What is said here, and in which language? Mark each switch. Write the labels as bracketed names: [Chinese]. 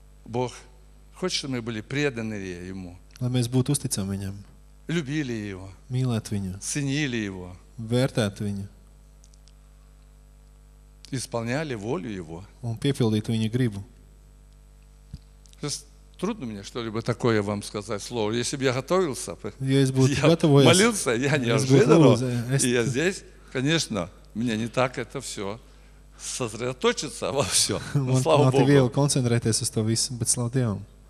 [Russian] Бог хочет, чтобы мы были преданы Ему. [Latvian] Lai mēs būtu uzticami Viņam. [Russian] Любили Его. [Latvian] Mīlēt Viņu. [Russian] Ценили Его. [Latvian] Vērtēt Viņu. [Russian] Исполняли волю Его. [Latvian] Un piepildītu Viņa gribu. [Russian] Трудно мне что-либо такое вам сказать слово. Если бы я готовился, я молился, я не ожидал. И я здесь, конечно, Мне не так это все сосредоточиться во всем. Но слава Богу. Мы концентрируемся на том, что мы слава Богу.